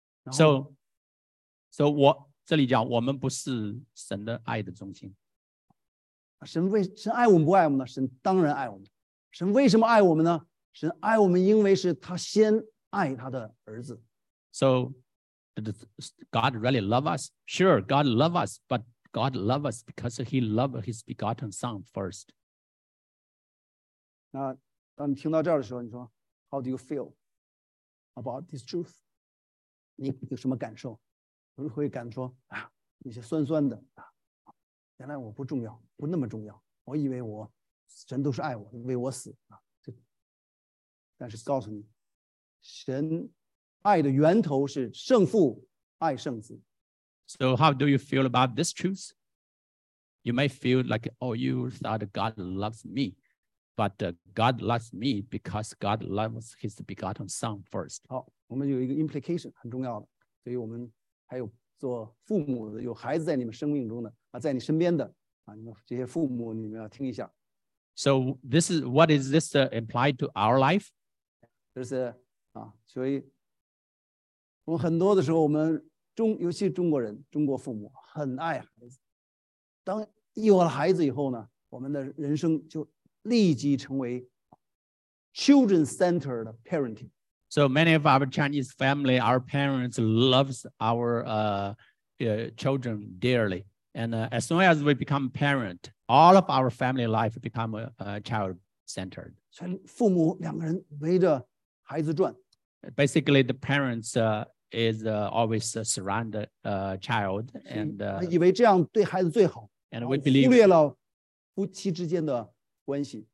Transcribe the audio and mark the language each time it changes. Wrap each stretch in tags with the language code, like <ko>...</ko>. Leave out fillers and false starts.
<en>So what?</en> <zh>这里讲我们不是神的爱的中心。神爱我们不爱我们呢？神当然爱我们。神为什么爱我们呢？神爱我们因为是他先爱他的儿子。</zh> <en>So, God really love us? Sure, God love us, but God love us because he loved his begotten son first.</en> <zh>那当你听到这儿的时候，你说</zh> <en>How do you feel about this truth?</en> <zh>你有什么感受？我会敢说啊，那些酸酸的啊，原来我不重要，不那么重要。我以为我神都是爱我，为我死啊。这，但是告诉你，神爱的源头是圣父爱圣子。</zh> <en>So how do you feel about this truth? You may feel like, oh, you thought God loves me, but God loves me because God loves His begotten Son first.</en> <zh>好，我们有一个 implication 很重要的，所以我们。还有做父母的，有孩子在你们生命中的啊，在你身边的啊，你们这些父母，你们要听一下。</zh> <en>So this is what is this implied to our life?</en> <zh>就是啊，所以我们很多的时候，我们尤其中国人，中国父母很爱孩子。当一有了孩子以后呢，我们的人生就立即成为</zh> <en>children-centered parenting。 So many of our Chinese family, our parents loves our children dearly. And as soon as we become parent, all of our family life become child-centered.</en> <zh>全父母两个人围着孩子转。</zh> <en>Basically, the parents is always surround the child. And,</en> <zh>以为这样对孩子最好。</zh> <en>And we believe,</en> <zh>忽略了夫妻之间的关系。</zh>